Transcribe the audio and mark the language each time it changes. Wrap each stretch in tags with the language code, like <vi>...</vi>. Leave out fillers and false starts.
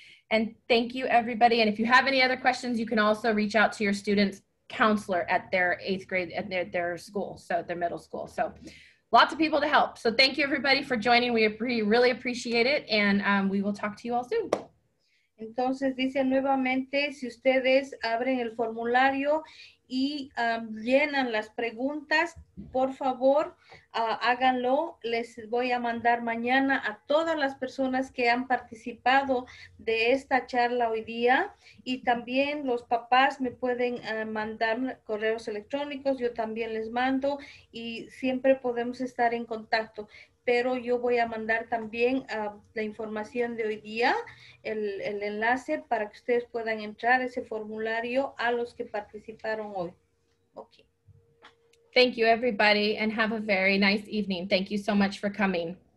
<en>And thank you, everybody. And if you have any other questions, you can also reach out to your student's counselor at their eighth grade, at their school, so at their middle school. So lots of people to help. So thank you, everybody, for joining. We really appreciate it. And we will talk to you all soon.</en> <es>Entonces, dice nuevamente, si ustedes abren el formulario y llenan las preguntas, por favor, háganlo. Les voy a mandar mañana a todas las personas que han participado de esta charla hoy día. Y también los papás me pueden mandar correos electrónicos. Yo también les mando, y siempre podemos estar en contacto. Pero yo voy a mandar también la información de hoy día, el enlace, para que ustedes puedan entrar ese formulario a los que participaron hoy.</es> <en>Okay. Thank you, everybody, and have a very nice evening. Thank you so much for coming.</en>